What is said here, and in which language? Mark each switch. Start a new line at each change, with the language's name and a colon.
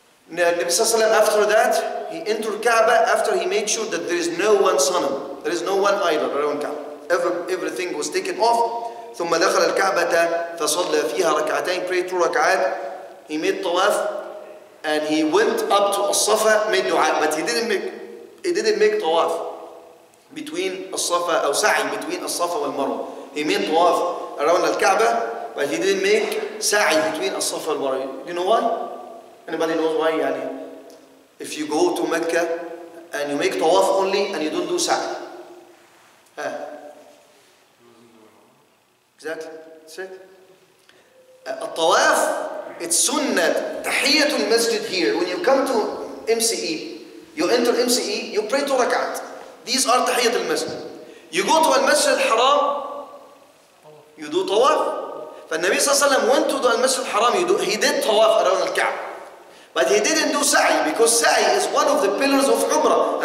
English: النبي صلى الله عليه وسلم after that he entered Kaaba after he made sure that there is no one sonam, there is no one idol around Kaaba. Everything was taken off.
Arabic: ثم دخل الكعبة فصلى فيها ركعتين,
English: prayed two ركعات. He made tawaf and he went up to الصفا made دعاء, but he didn't make tawaf between الصفا أو سعي between الصفا والمروة. He made tawaf around الكعبة but he didn't make سعي between الصفا والمروة. You know why? Anybody knows why? يعني if you go to مكة and you make tawaf only and you don't do سعي. Exactly. That's it. الطواف it's سنة تحية المسجد here. When you come to MCE, you enter MCE, you pray two rak'at. These are تحية المسجد. You go to المسجد الحرام, you do طواف. فالنبي صلى الله عليه وسلم went to the المسجد الحرام, he did طواف around الكعبة. But he didn't do سعي because سعي is one of the pillars of عمرة.